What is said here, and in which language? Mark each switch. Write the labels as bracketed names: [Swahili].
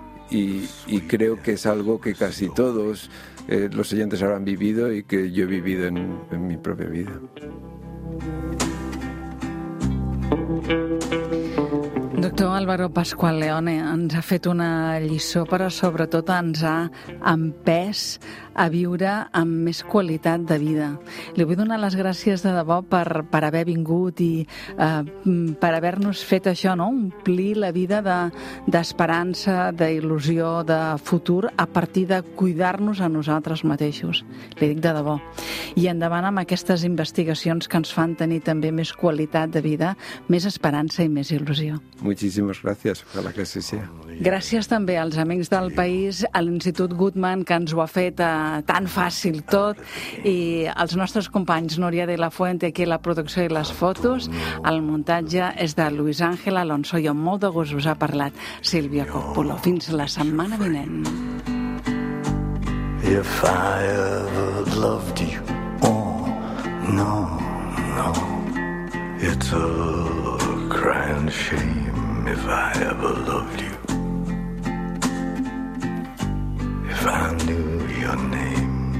[Spanish] Y creo que es algo que casi todos los oyentes habrán vivido y que yo he vivido en mi propia vida. [Catalan] Doctor Álvaro Pascual Leone, ens ha fet una lliçó, però sobretot ens ha empès a viure amb més qualitat de vida. Li vull donar les gràcies de debò per haver vingut i per haver-nos fet això, no? Omplir la vida d'esperança, d'il·lusió, de futur, a partir de cuidar-nos a nosaltres mateixos. Li dic de debò. I endavant amb aquestes investigacions que ens fan tenir també més qualitat de vida, més esperança i més il·lusió. Moltíssimes gràcies, per la que sí sigui. Gràcies també als amics del país, a l'Institut Gutmann, que ens ho ha fet tan fàcil tot, i als nostres companys Núria de la Fuente, aquí la producció i les fotos. El muntatge és de Luis Ángel Alonso, i amb molt de gust us ha parlat Sílvia Coppolo. Fins la setmana vinent. [English] If I ever loved you, oh, no, no, it's a crying shame. If I ever loved you, if I knew your name.